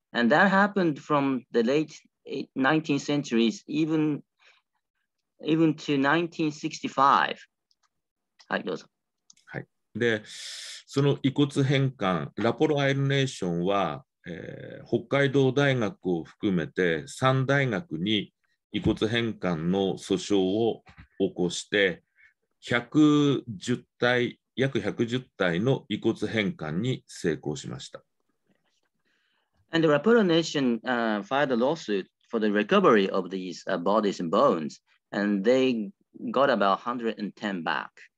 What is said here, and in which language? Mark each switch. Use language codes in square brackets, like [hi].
[en] And that happened from the late 19th century, even to 1965. [ja] はい、どうぞ。で、その遺骨返還、ラポロアイルネーションは、北海道大学を含めて3大学に遺骨返還の訴訟を起こして、約110体の遺骨返還に成功しました。 [en] And the Rapala Nation filed a lawsuit for the recovery of these bodies and bones, and they got about 110 back.